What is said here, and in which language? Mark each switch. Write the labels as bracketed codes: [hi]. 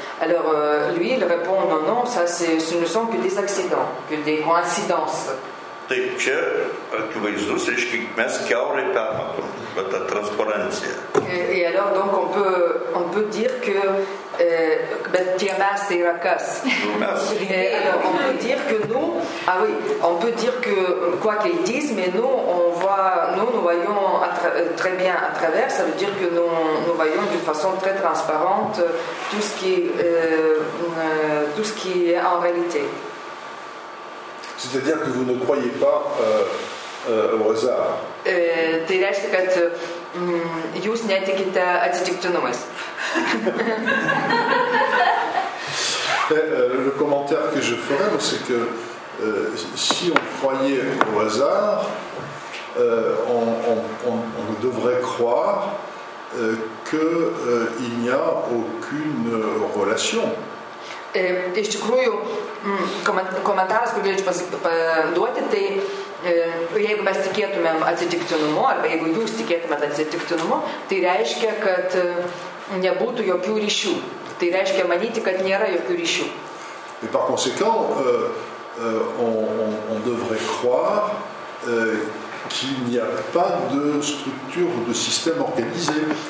[fr] Alors lui, il répond non, ça c'est, ce ne sont que des accidents, que des coïncidences. [lt] Tai čia akivaizdus, reiškia, mes kiaurai permatom, ta transparencija. [fr] Et alors, donc, on peut dire que, [lt] bet tie mes, tai yra kas. Mes. [fr] On peut dire que nous, ah oui, on peut dire que, quoi qu'ils disent, mais nous voyons très bien à travers, ça veut dire que nous voyons d'une façon très transparente tout ce qui est en réalité. C'est-à-dire que vous ne croyez pas au hasard. [lt] Tai reiškia, kad jūs netikite atsitiktinumais. [fr] Le commentaire que je ferai, c'est que si on croyait au hasard, on devrait croire qu'il n'y a aucune relation. [lt] Iš tikrųjų, komentaras, kurį galėčiau duoti, tai jeigu mes tikėtumėm atsitiktinumu, arba jeigu jūs tikėtumėt atsitiktinumu, tai reiškia, kad nebūtų jokių ryšių. Tai reiškia manyti, kad nėra jokių ryšių. [fr] Et par conséquent, on devrait croire qu'il n'y a pas de structure ou de système organisé.